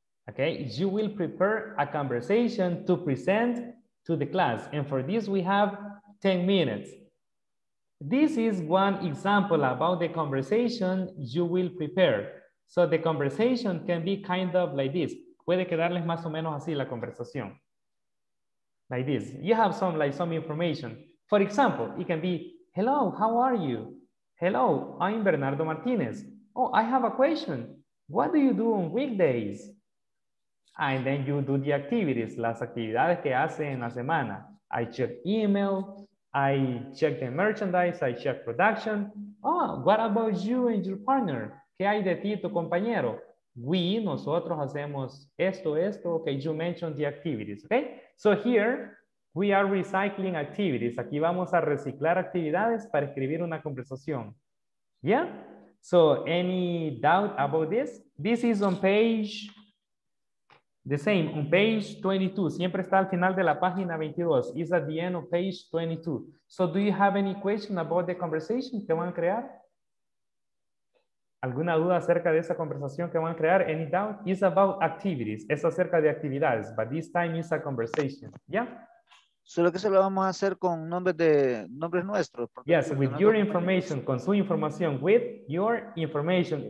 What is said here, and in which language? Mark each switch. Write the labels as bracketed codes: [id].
[en] Okay, you will prepare a conversation to present to the class. And for this, we have 10 minutes. This is one example about the conversation you will prepare. So the conversation can be kind of like this. [es] Puede quedarles más o menos así la conversación. [en] Like this. You have some, like, some information. For example, it can be, hello, how are you? Hello, I'm Bernardo Martinez. Oh, I have a question. What do you do on weekdays? And then you do the activities, las actividades que hace en la semana. I check email, I check the merchandise, I check production. Oh, what about you and your partner? ¿Qué hay de ti y tu compañero? We, nosotros hacemos esto, esto. Okay, you mentioned the activities, okay? So here, we are recycling activities. [es] Aquí vamos a reciclar actividades para escribir una conversación. [en] Yeah? So any doubt about this? This is on page... The same, on page 22. [es] Siempre está al final de la página 22. It's at the end of page 22. [en] So do you have any question about the conversation que van a crear? [es] ¿Alguna duda acerca de esa conversación que van a crear? [en] Any doubt? It's about activities. Es acerca de actividades. But this time it's a conversation. Yeah? [es] Solo que se lo vamos a hacer con nombres de nombres nuestros. [en] Yes, with your information. Con su información. With your information.